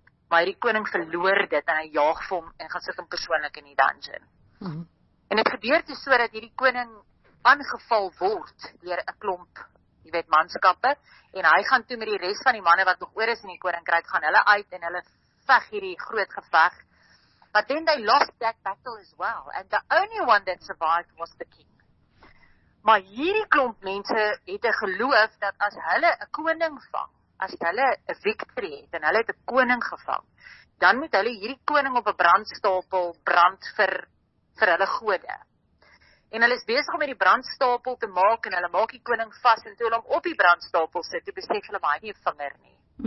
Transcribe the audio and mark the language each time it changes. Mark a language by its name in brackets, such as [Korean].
[Afrikaans] Maar die koning verloor dit en hy jaag vir hom en gaan sit hom persoonlik in die dungeon. Mm-hmm. En het gebeur dus so dat hierdie koning aangeval word deur 'n klomp, jy weet, manskappe en hy gaan toe met die res van die manne wat nog oor is in die koninkryk gaan hulle uit en hulle veg hierdie groot geveg. [English] But then they lost that battle as well and the only one that survived was the king. [Afrikaans] Maar hierdie klomp mense het 'n geloof dat as hulle 'n koning vang, as hulle 'n victory het en hulle het 'n koning gevang, dan moet hulle hierdie koning op 'n brandstapel brand vir hulle gode. En hulle is besig om hierdie brandstapel te maak en hulle maak die koning vas en toe hulle hom op die brandstapel sit, toe besef hulle maar hy nie 'n vinger nie.